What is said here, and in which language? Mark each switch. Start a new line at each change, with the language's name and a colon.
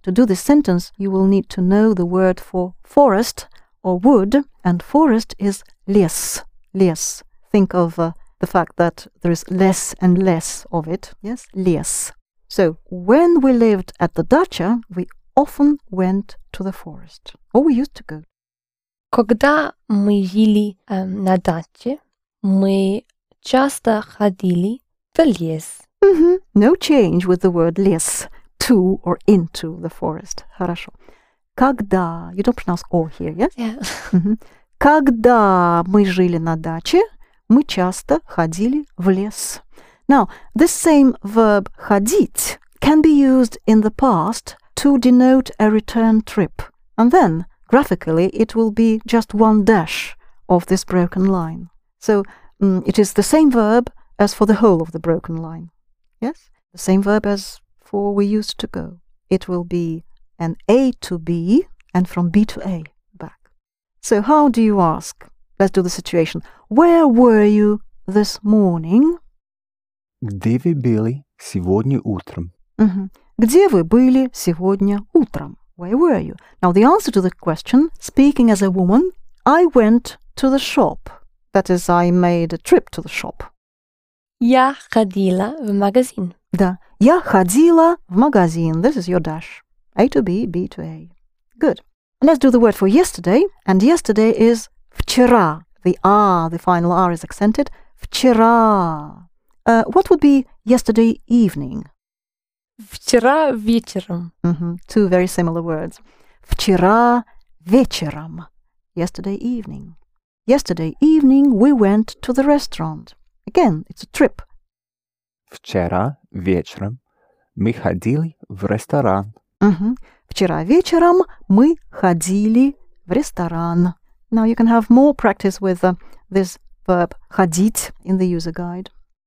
English: To do this sentence, you will need to know the word for forest or wood, and forest is лес.
Russian: Лес.
English: Think of the fact that there is less and less of it. Yes, лес. So, when we lived at the дача, we often went to the forest. Or we used to go.
Russian: Когда мы жили на даче, мы часто ходили в лес.
English: Mm-hmm. No change with the word лес. To or into the forest. Хорошо. Когда... You don't pronounce O here, yes? Yeah.
Russian: Когда мы жили на даче, мы часто ходили в лес.
English: Now, this same verb ходить can be used in the past to denote a return trip. And then, graphically, it will be just one dash of this broken line. So, it is the same verb as for the whole of the broken line. Yes? The same verb as... Or we used to go. It will be an A to B and from B to A back. So how do you ask? Let's do the situation. Where were you this morning?
Russian: Где вы были сегодня утром? Mm-hmm. Где вы были сегодня утром?
English: Where were you? Now the answer to the question, speaking as a woman, I went to the shop. That is, I made a trip to the shop.
Russian: Я ходила в магазин. Да. Я ходила в магазин.
English: This is your dash. A to B, B to A. Good. And let's do the word for yesterday. And yesterday is вчера. The R, the final R is accented. Вчера. What would be yesterday evening?
Russian: Вчера вечером.
English: Mm-hmm. Two very similar words.
Russian: Вчера вечером.
English: Yesterday evening. Yesterday evening we went to the restaurant. Again, it's a trip.
Russian: Вчера вечером мы ходили в ресторан. Mm-hmm. Вчера вечером мы ходили в ресторан.
English: Now you can have more practice with this verb ходить in the user guide.